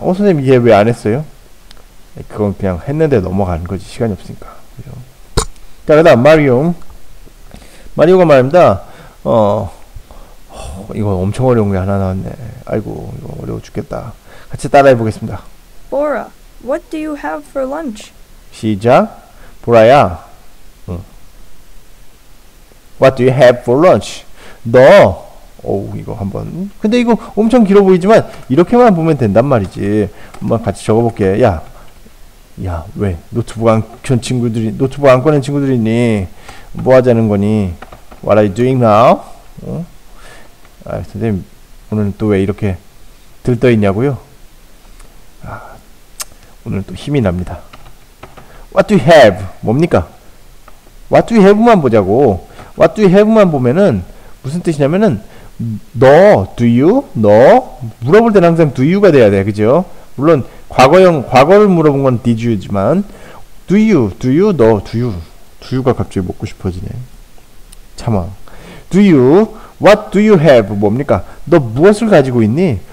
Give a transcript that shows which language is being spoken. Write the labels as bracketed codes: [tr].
[ko] 선생님 이해 왜안 했어요? 그건 그냥 했는데 넘어가는 거지. 시간이 없으니까. 그죠? 자, 그다음 마리오. 마리오가 말입니다. 이거 엄청 어려운 게 하나 나왔네. 아이고, 이거 어려워 죽겠다. 같이 따라해 보겠습니다. [en] Bora, what do you have for lunch? [ko] 시작. 보라야. [en] What do you have for lunch? [ko] 너 오우 이거 한번 근데 이거 엄청 길어 보이지만 이렇게만 보면 된단 말이지. 한번 같이 적어볼게. 야 야, 왜? 노트북 안켠 친구들이 노트북 안 꺼낸 친구들이니 뭐 하자는 거니? [en] What are you doing now? 어? [ko] 아, 선생님 오늘 또왜 이렇게 들떠 있냐고요? 오늘 또 힘이 납니다. [en] What do you have? [ko] 뭡니까? [en] What do you have만 [ko] 보자고. What do you have만 보면은 무슨 뜻이냐면은 너, do you? 너? 물어볼 때는 항상 do you가 돼야 돼, 그죠? 물론 과거형, 과거를 물어본 건 did you지만 do you? [en] do you? 너, do you? [ko] do you가 갑자기 먹고 싶어지네. [en] 참아. do you? what do you have? 뭡니까? [ko] 너 무엇을 가지고 있니?